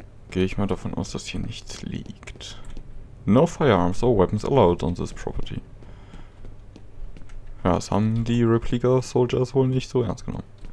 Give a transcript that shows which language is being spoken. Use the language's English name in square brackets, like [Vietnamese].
[German] Gehe ich mal davon aus, dass hier nichts liegt. [English] No firearms or weapons allowed on this property. [German] Ja, das haben die Replica-Soldiers wohl nicht so ernst genommen.